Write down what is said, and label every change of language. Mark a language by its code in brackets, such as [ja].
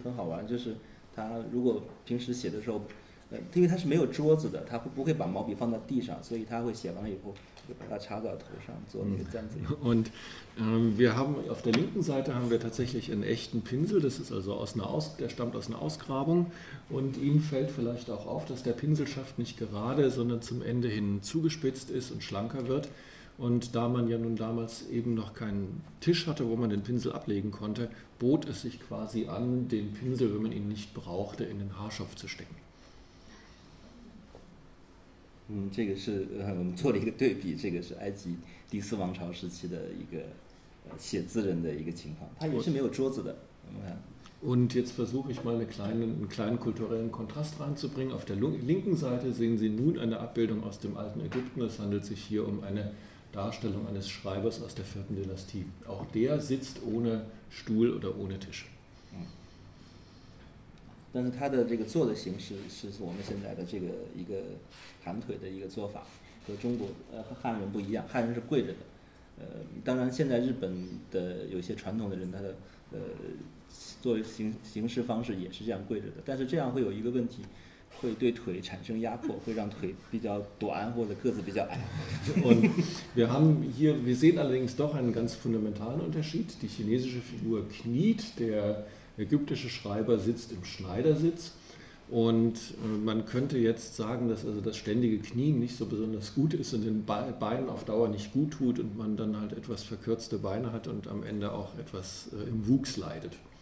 [zh] Das 因为他是没有桌子的，他不会把毛笔放在地上，所以他会写完了以后就把它插到头上做那个簪子。 [de] Und wir haben auf der linken Seite haben wir tatsächlich einen echten Pinsel. Das ist also der stammt aus einer Ausgrabung. Und Ihnen fällt vielleicht auch auf, dass der Pinselschaft nicht gerade, sondern zum Ende hin zugespitzt ist und schlanker wird. Und da man ja nun damals eben noch keinen Tisch hatte, wo man den Pinsel ablegen konnte, bot es sich quasi an, den Pinsel, wenn man ihn nicht brauchte, in den Haarschopf zu stecken. [zh] 这个是我们做了一个对比，这个是埃及第四王朝时期的一个写字人的一个情况，他也是没有桌子的。 [de] Und jetzt versuche ich mal einen kleinen kulturellen Kontrast reinzubringen. Auf der linken Seite sehen Sie nun eine Abbildung aus dem alten Ägypten. Es handelt sich hier um eine Darstellung eines Schreibers aus der 4. Dynastie. Auch der sitzt ohne Stuhl oder ohne Tisch. [zh] 但是他的这个坐的形式是我们现在的这个一个盘腿的一个做法，和中国和汉人不一样，汉人是跪着的。当然现在日本的有些传统的人，他的坐形式方式也是这样跪着的，但是这样会有一个问题，会对腿产生压迫，会让腿比较短或者个子比较矮。 [de] Und wir haben hier, wir sehen allerdings doch einen ganz fundamentalen Unterschied. Die chinesische Figur kniet, der ägyptische Schreiber sitzt im Schneidersitz und man könnte jetzt sagen, dass also das ständige Knien nicht so besonders gut ist und den Beinen auf Dauer nicht gut tut und man dann halt etwas verkürzte Beine hat und am Ende auch etwas im Wuchs leidet.